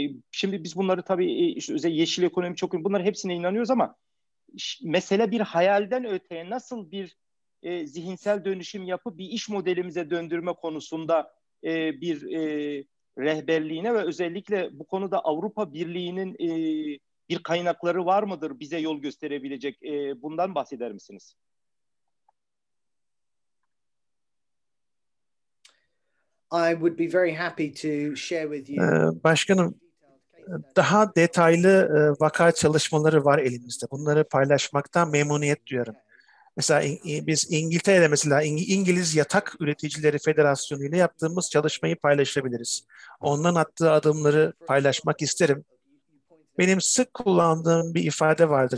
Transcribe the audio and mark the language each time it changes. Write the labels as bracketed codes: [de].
[tr] Şimdi biz bunları tabii, işte yeşil ekonomi çok önemli, bunların hepsine inanıyoruz ama mesele bir hayalden öteye nasıl bir zihinsel dönüşüm yapıp bir iş modelimize döndürme konusunda bir rehberliğine ve özellikle bu konuda Avrupa Birliği'nin bir kaynakları var mıdır bize yol gösterebilecek? Bundan bahseder misiniz? [en] I would be very happy to share with you. [tr] Başkanım, daha detaylı vaka çalışmaları var elimizde. Bunları paylaşmaktan memnuniyet duyarım. Mesela biz İngiltere'de mesela İngiliz Yatak Üreticileri Federasyonu ile yaptığımız çalışmayı paylaşabiliriz. Ondan attığı adımları paylaşmak isterim. Benim sık kullandığım bir ifade vardır.